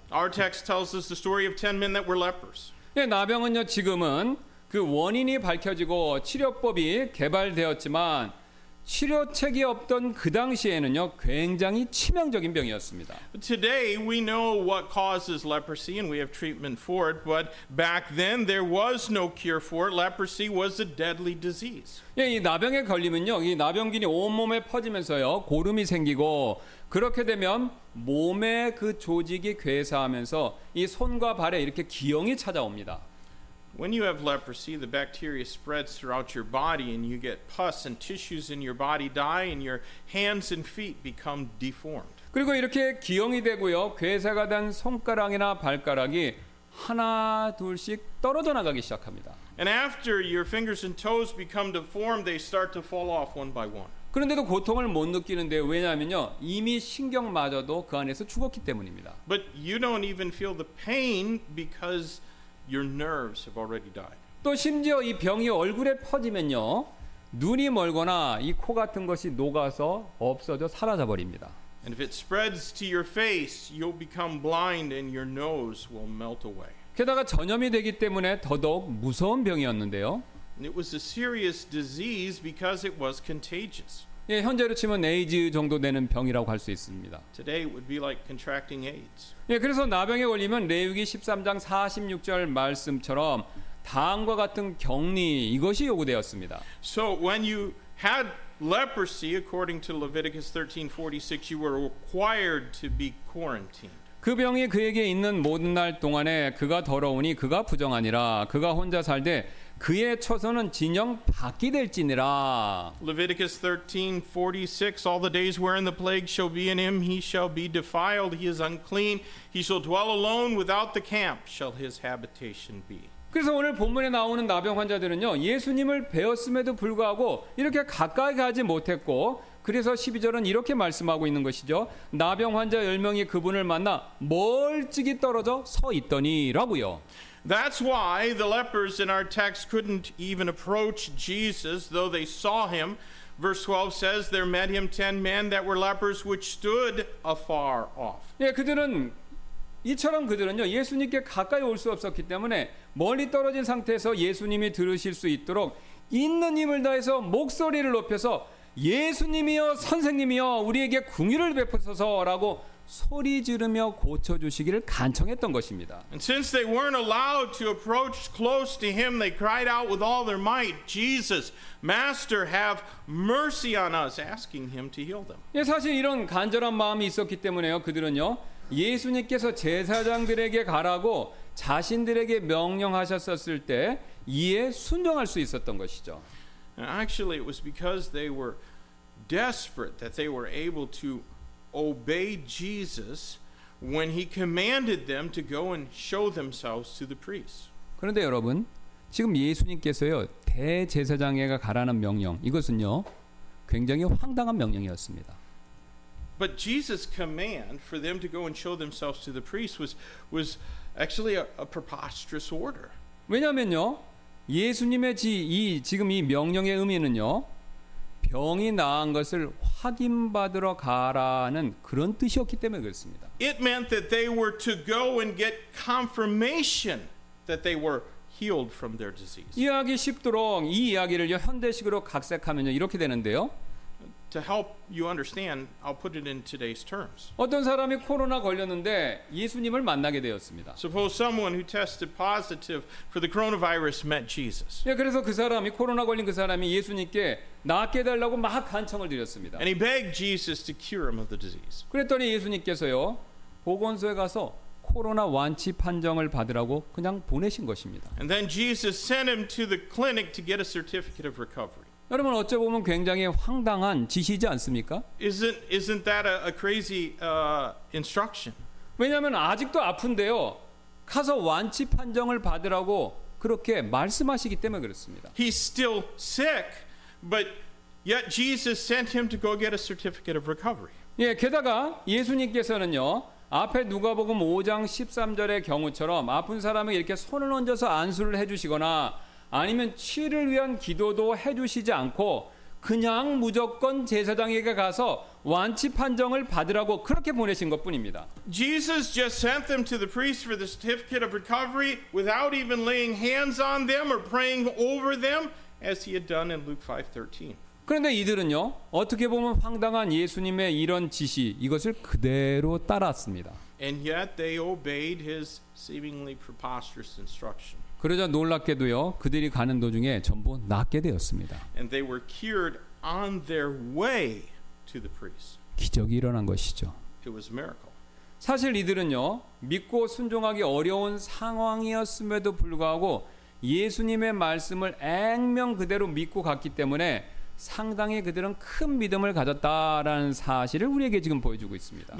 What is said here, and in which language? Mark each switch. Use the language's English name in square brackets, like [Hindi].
[English] Our text tells us the story of 10 men that were lepers. [Korean] 예, 나병은요, 지금은 그 원인이 밝혀지고 치료법이 개발되었지만 치료책이 없던 그 당시에는요 굉장히 치명적인 병이었습니다. [English] Today we know what causes leprosy and we have treatment for it, but back then there was no cure for it. Leprosy was a deadly disease. [Korean] 예, 이 나병에 걸리면요, 이 나병균이 온 몸에 퍼지면서요 고름이 생기고 그렇게 되면 몸의 그 조직이 괴사하면서 이 손과 발에 이렇게 기형이 찾아옵니다. [English] When you have leprosy, the bacteria spreads throughout your body and you get pus and tissues in your body die and your hands and feet become deformed. [Korean] 그리고 이렇게 기형이 되고요. 괴사가 된 손가락이나 발가락이 하나 둘씩 떨어져 나가기 시작합니다. [English] And after your fingers and toes become deformed, they start to fall off one by one. [Korean] 그런데도 고통을 못 느끼는데 왜냐하면요 이미 신경마저도 그 안에서 죽었기 때문입니다. [English] But you don't even feel the pain because your nerves have already died. [Korean] 또 심지어 이 병이 얼굴에 퍼지면요 눈이 멀거나 이 코 같은 것이 녹아서 없어져 사라져 버립니다. [English] And if it spreads to your face, you'll become blind and your nose will melt away. [Korean] 게다가 전염이 되기 때문에 더더욱 무서운 병이었는데요. [English] And it was a serious disease because it was contagious. [Korean] 예, 현재로 치면 에이즈 정도 되는 병이라고 할 수 있습니다. [English] Today it would be like contracting AIDS. [Korean] 예, 그래서 나병에 걸리면 레위기 13장 46절 말씀처럼 다음과 같은 격리 이것이 요구되었습니다. [English] So when you had leprosy according to Leviticus 13:46 you were required to be quarantined. [Korean] 그 병이 그에게 있는 모든 날 동안에 그가 더러우니 그가 부정하니라 그가 혼자 살되 그의 처소는 진영 밖이 될지니라. [English] Leviticus 13:46 All the days wherein the plague shall be in him, he shall be defiled, he is unclean, he shall dwell alone without the camp, shall his habitation be. [Korean] 그래서 오늘 본문에 나오는 나병 환자들은요, 예수님을 뵈었음에도 불구하고 이렇게 가까이 가지 못했고, 그래서 12절은 이렇게 말씀하고 있는 것이죠. 나병 환자 10명이 그분을 만나 멀찍이 떨어져 서 있더니라고요. [English] That's why the lepers in our text couldn't even approach Jesus, though they saw him. Verse 12 says, there met him 10 men that were lepers, which stood afar off. [Korean] 예, 그들은 이처럼 그들은요 예수님께 가까이 올 수 없었기 때문에 멀리 떨어진 상태에서 예수님이 들으실 수 있도록 있는 힘을 다해서 목소리를 높여서 예수님이여 선생님이여 우리에게 궁휼을 베푸소서라고 소리 지르며 고쳐주시기를 간청했던 것입니다. [English] And since they weren't allowed to approach close to him, they cried out with all their might, Jesus, Master, have mercy on us, asking him to heal them. [Korean] 예, 사실 이런 간절한 마음이 있었기 때문에요. 그들은요, 예수님께서 제사장들에게 가라고 자신들에게 명령하셨었을 때 이에 순종할 수 있었던 것이죠. [English] And actually, it was because they were desperate that they were able to obey Jesus when he commanded them to go and show themselves to the priests. [Korean] 그런데 여러분, 지금 예수님께서요 대제사장에게 가라는 명령 이것은요 굉장히 황당한 명령이었습니다. [English] But Jesus' command for them to go and show themselves to the priests was actually a preposterous order. [Korean] 왜냐면요 예수님의 지금 이 명령의 의미는요 병이 나은 것을 확인받으러 가라는 그런 뜻이었기 때문에 그렇습니다. [English] It meant that they were to go and get confirmation that they were healed from their disease. [Korean] 이해하기 쉽도록 이 이야기를요 현대식으로 각색하면요 이렇게 되는데요. [English] To help you understand, I'll put it in today's terms. [Korean] 어떤 사람이 코로나 걸렸는데 예수님을 만나게 되었습니다. [English] Suppose someone who tested positive for the coronavirus met Jesus. [Korean] 예, 그래서 그 사람이 코로나 걸린 그 사람이 예수님께 낫게 달라고 막 간청을 드렸습니다. [English] And he begged Jesus to cure him of the disease. [Korean] 그랬더니 예수님께서요 보건소에 가서 코로나 완치 판정을 받으라고 그냥 보내신 것입니다. [English] And then Jesus sent him to the clinic to get a certificate of recovery. [Korean] 여러분 어찌 보면 굉장히 황당한 지시지 않습니까? [English] Isn't that a crazy instruction? [Korean] 왜냐하면 아직도 아픈데요. 가서 완치 판정을 받으라고 그렇게 말씀하시기 때문에 그렇습니다. [English] He's still sick, but yet Jesus sent him to go get a certificate of recovery. [Korean] 예, 게다가 예수님께서는요. 앞에 누가복음 5장 13절의 경우처럼 아픈 사람에게 이렇게 손을 얹어서 안수를 해주시거나 아니면 치를 위한 기도도 해주시지 않고 그냥 무조건 제사장에게 가서 완치 판정을 받으라고 그렇게 보내신 것뿐입니다. [English] Jesus just sent them to the priest for the certificate of recovery without even laying hands on them or praying over them as he had done in Luke 5:13. [Korean] 그런데 이들은요 어떻게 보면 황당한 예수님의 이런 지시 이것을 그대로 따랐습니다. [English] And yet they obeyed his seemingly preposterous instruction. [Korean] 그러자 놀랍게도요 그들이 가는 도중에 전부 낫게 되었습니다. [English] And they were cured on their way to the priest. [Korean] 기적이 일어난 것이죠. [English] It was a miracle. [Korean] 사실 이들은요 믿고 순종하기 어려운 상황이었음에도 불구하고 예수님의 말씀을 액면 그대로 믿고 갔기 때문에 상당히 그들은 큰 믿음을 가졌다라는 사실을 우리에게 지금 보여주고 있습니다.